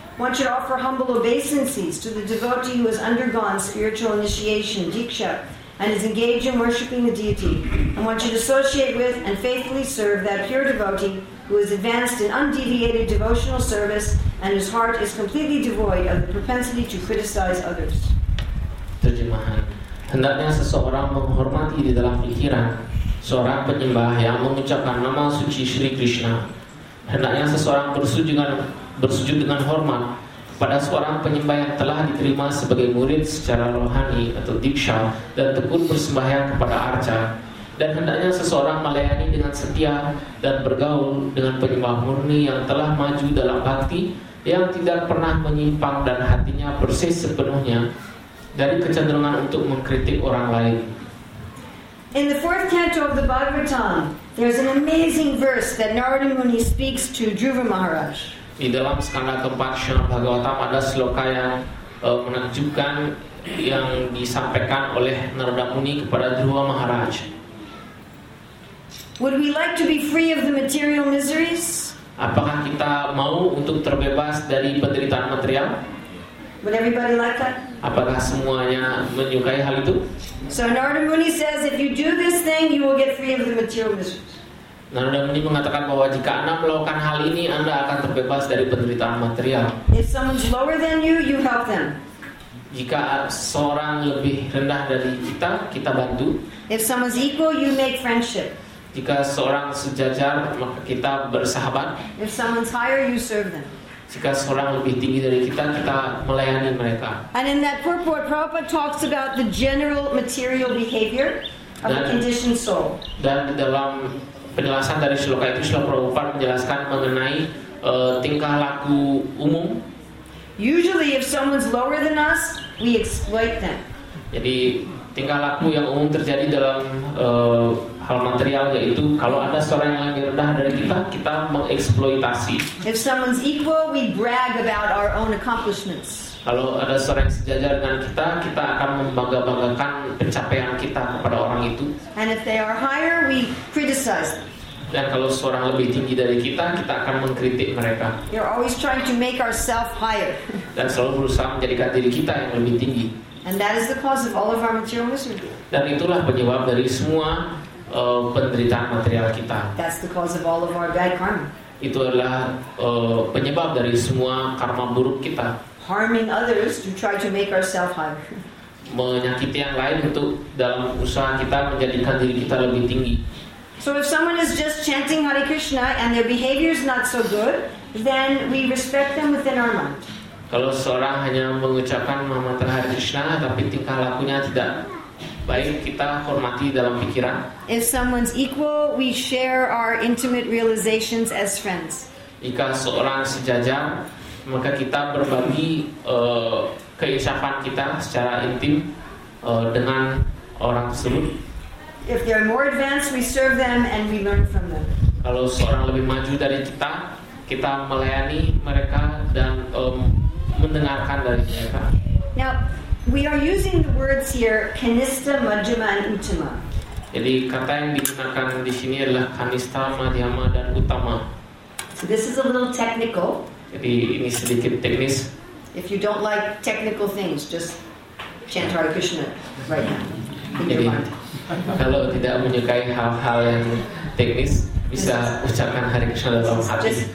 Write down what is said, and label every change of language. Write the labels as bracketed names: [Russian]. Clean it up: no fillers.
[English] One should offer humble obeisances to the devotee who has undergone spiritual initiation, diksha, and is engaged in worshipping the deity. And one should associate with and faithfully serve that pure devotee who has advanced in undeviated devotional service and whose heart is completely devoid of the propensity to criticize others. [Indonesian] Terjemahan. Hendaknya seseorang menghormati di dalam pikiran seorang penyembah yang mengucapkan nama suci Sri Krishna. Hendaknya seseorang bersujud dengan hormat kepada seorang penyembah yang telah diterima sebagai murid secara rohani atau diksha dan tekun bersembahyang kepada arca. dan hendaknya seseorang melayani dengan setia dan bergaul dengan penyembah murni yang telah maju dalam bhakti, yang tidak pernah menyimpang dan hatinya bersih sepenuhnya dari kecenderungan untuk mengkritik orang lain. [English] In the fourth canto of the Bhagavatam, there's an amazing verse that Narada Muni speaks to Dhruva Maharaj. [Indonesian] Di dalam skanda keempat Srimad Bhagavatam ada sloka yang menakjubkan yang disampaikan oleh Narada Muni kepada Dhruva Maharaj. [English] Would we like to be free of the material miseries? [Indonesian] Apakah kita mau untuk terbebas dari penderitaan material? [English] Would everybody like that? [Indonesian] Apakah semuanya menyukai hal itu? [English] So Narada Muni says, if you do this thing, you will get free of the material miseries. [Indonesian] Narada Muni mengatakan bahwa jika Anda melakukan hal ini, Anda akan terbebas dari penderitaan material. [English] If someone's lower than you, you help them. [Indonesian] Jika seorang lebih rendah dari kita, kita bantu. [English] If someone's equal, you make friendship. [Indonesian] Jika seorang sejajar, maka kita bersahabat. [English] If someone's higher, you serve them. [Indonesian] Jika seorang lebih tinggi dari kita, kita melayani mereka. [English] And in that purport, Prabhupada talks about the general material behavior of the conditioned soul. [Indonesian] Dan di dalam penjelasan dari sloka itu, Srila Prabhupada menjelaskan mengenai tingkah laku umum. [English] Usually, if someone's lower than us, we exploit them. [Indonesian] Jadi tingkah laku yang umum terjadi dalam hal material yaitu kalau ada seorang yang lebih rendah dari kita, kita mengeksploitasi. [English] If someone's equal, we brag about our own accomplishments. [Indonesian] Kalau ada seorang yang sejajar dengan kita, kita akan membangga-banggakan pencapaian kita kepada orang itu. [English] And if they are higher, we criticize. [Indonesian] Dan kalau seorang lebih tinggi dari kita, kita akan mengkritik mereka. [English] You're always trying to make ourselves higher. [Indonesian] Dan selalu berusaha menjadikan diri kita yang lebih tinggi. [English] And that is the cause of all of our material misery. [Indonesian] Dan itulah penyebab dari semua penderitaan material kita. [English] That's the cause of all of our bad karma. [Indonesian] Itu adalah penyebab dari semua karma buruk kita. [English] Harming others to try to make ourselves higher. [Indonesian] Menyakiti yang lain untuk dalam usaha kita menjadikan diri kita lebih tinggi. [English] So if someone is just chanting Hare Krishna and their behavior is not so good, then we respect them within our mind. [Indonesian] Kalau seorang hanya mengucapkan nama Hare Krishna tapi tingkah lakunya tidak baik, kita hormati dalam pikiran. [English] If someone's equal, we share our intimate realizations as friends. [Indonesian] Jika seorang sejajar, maka kita berbagi keinsafan kita secara intim dengan orang tersebut. [English] If they are more advanced, we serve them and we learn from them. [Indonesian] Kalau seorang lebih maju dari kita, kita melayani mereka dan mendengarkan dari mereka. [English] Now, we are using the words here kanista, madhyama, and uttama. [Indonesian] Jadi kata yang digunakan di sini adalah kanista, madhyama, dan utama. [English] So this is a little technical. [Indonesian] Jadi ini sedikit teknis. [English] If you don't like technical things, just chant Hare Krishna right now. [Indonesian] Jadi kalau tidak menyukai hal-hal yang teknis, bisa ucapkan Hare Krishna dalam hati.